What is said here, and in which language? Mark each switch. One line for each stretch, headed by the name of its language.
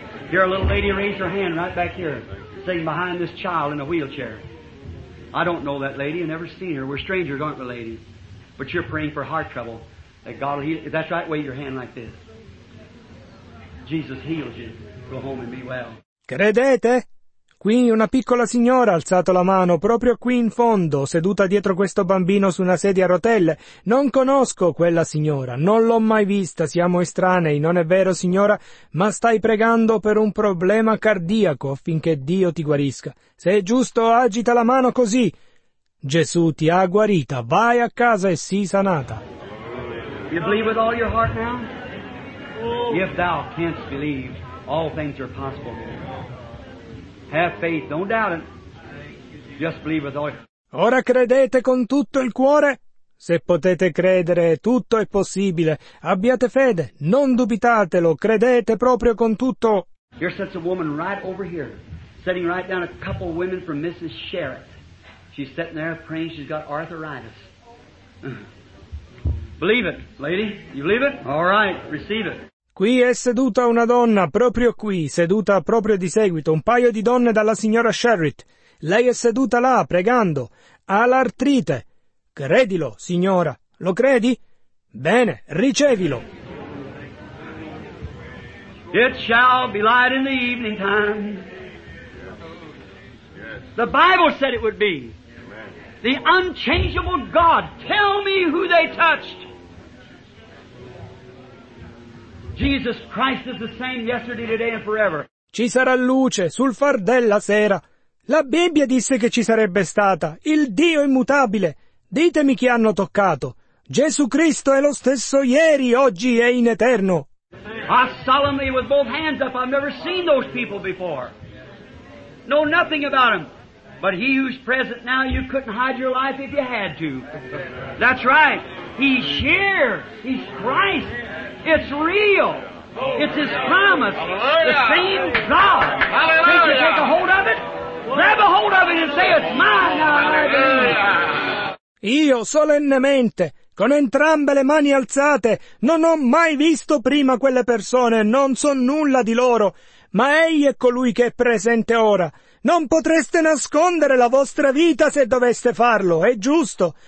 English: Here, a little lady, raise her hand right back here, sitting behind this child in a wheelchair. I don't know that lady. I've never seen her. We're strangers, aren't we, lady? But you're praying for heart trouble. That God will heal. That's right. Wave your hand like this. Jesus heals you. Go home and be well.
Italian: Credete? Qui una piccola signora ha alzato la mano, proprio qui in fondo, seduta dietro questo bambino su una sedia a rotelle. Non conosco quella signora, non l'ho mai vista, siamo estranei, non è vero signora, ma stai pregando per un problema cardiaco affinché Dio ti guarisca. Se è giusto, agita la mano così. Gesù ti ha guarita, vai a casa e sii sanata.
English: You believe with all your heart now? If thou canst believe, all things are possible. Have faith, don't doubt it. Just believe with all.
Italian: Ora credete con tutto il cuore? Se potete credere, tutto è possibile. Abbiate fede, non dubitatelo, credete proprio con tutto.
English: Here sits a woman right over here, sitting right down, a couple of women from Mrs. Sherritt. She's sitting there praying, she's got arthritis. Believe it, lady. You believe it? All right, receive it.
Italian: Qui è seduta una donna, proprio qui, seduta proprio di seguito, un paio di donne dalla signora Sherritt. Lei è seduta là, pregando. Ha l'artrite. Credilo, signora. Lo credi? Bene, ricevilo.
English: It shall be light in the evening time. The Bible said it would be. The unchangeable God. Tell me who they touched. Jesus Christ is the same yesterday, today and forever.
Italian: Ci sarà luce sul far della sera. La Bibbia disse che ci sarebbe stata. Il Dio immutabile. Ditemi chi hanno toccato. Gesù Cristo è lo stesso ieri, oggi e in eterno.
English: I solemnly, with both hands up, I've never seen those people before. Know nothing about them. But he who's present now, you couldn't hide your life if you had to. That's right. He's here. He's Christ. It's real. It's his promise. The same God. Can't you take a hold of it? Grab a hold of it and say, it's mine now.
Italian: Io solennemente, con entrambe le mani alzate, non ho mai visto prima quelle persone, non so nulla di loro, ma egli è colui che è presente ora. Non potreste nascondere la vostra vita se doveste farlo, è giusto.